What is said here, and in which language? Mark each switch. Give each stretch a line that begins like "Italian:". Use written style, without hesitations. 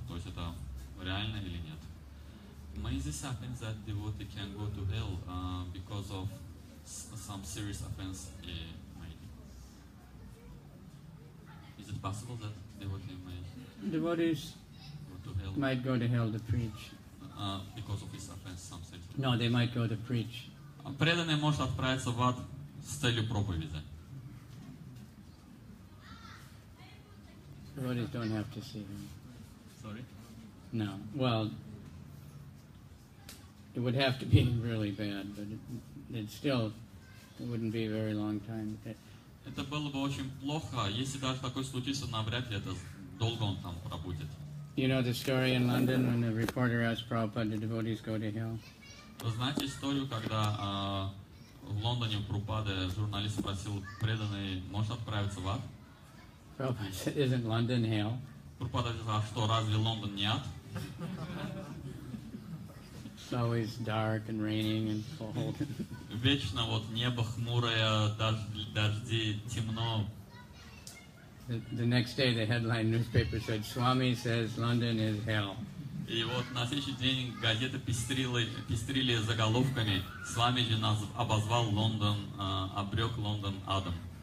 Russian: То есть это реально или нет?
English: May this happen that devotee can go to hell because of some serious offense he made? Is it possible that devotee may... Devotees go to hell? Might go to hell to preach. Because of his offense, some serious offense. No, they might go to preach.
Russian: Преданный может отправиться в ад с целью проповеди.
English: Devotees don't have to see him. Sorry? No. Well, it would have to be really bad, but it still it wouldn't be a very long time.
Russian: Это было бы очень плохо, если даже такое случится, навряд ли это долго он там пробудет.
English: You know the story in London when the reporter asked Prabhupada, "Do devotees go to hell?"
Russian: Вы знаете историю, когда в Лондоне Прабхупада журналист спросил преданный, может отправиться в ад?
English: Prabhupada said, "Isn't London hell?"
Russian: Прабхупада сказал, что разве Лондон не ад?
English: It's always dark and raining and cold.
Russian: Вечно вот небо хмурое, дожди, темно.
English: The next day, the headline newspaper said, "Swami says London is hell."
Russian: И вот на следующий день газеты пестрили заголовками: "Свамиджи нас обозвал Лондон, обрёк Лондон адом."